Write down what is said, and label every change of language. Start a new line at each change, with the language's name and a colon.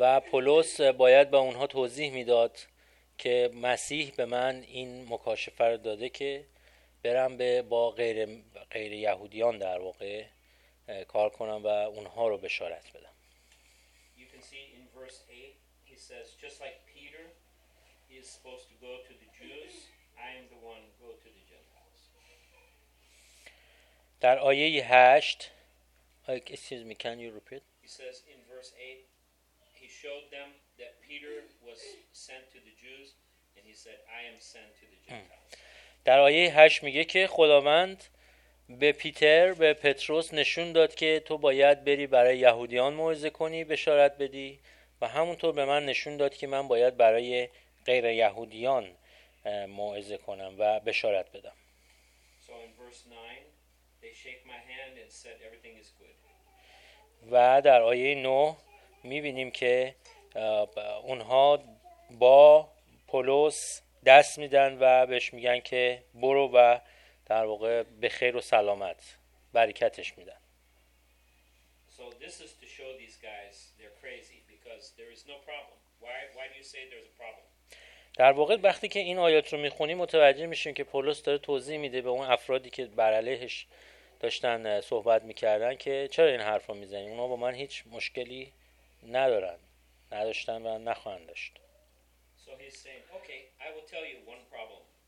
Persian: پولس باید به اونها توضیح میداد که مسیح به من این مکاشفه رو داده که برم به با غیر یهودیان در واقع کار کنم و اونها رو بشارت بدم.
English: You can see in verse 8 he says just like Peter he is supposed to go to the Jews, I am the one go to the Gentiles.
Persian: در آیه 8
English: can you repeat? He says in verse 8 he showed them that Peter was sent to the Jews and he said I am sent to the Gentiles.
Persian: در آیه 8 میگه که خداوند به پیتر به پتروس نشون داد که تو باید بری برای یهودیان موعظه کنی، بشارت بدی و همونطور به من نشون داد که من باید برای غیر یهودیان موعظه کنم و بشارت بدم.
English: So in verse 9 they shake my hand and said everything is good.
Persian: و در آیه 9 می‌بینیم که اونها با پولس دست میدن و بهش میگن که برو و در واقع به خیر و سلامت برکتش میدن.
English: So this is to show these guys they're crazy because there is no problem. Why do you say there's a problem?
Persian: در واقع وقتی که این آیات رو می‌خونیم متوجه میشیم که پولس داره توضیح میده به اون افرادی که بر علیهش داشتن صحبت میکردن که چرا این حرف رو میزنی؟ اونا با من هیچ مشکلی ندارن، نداشتن و نخواهند داشت.
English: So he's saying, okay, I will tell you one problem.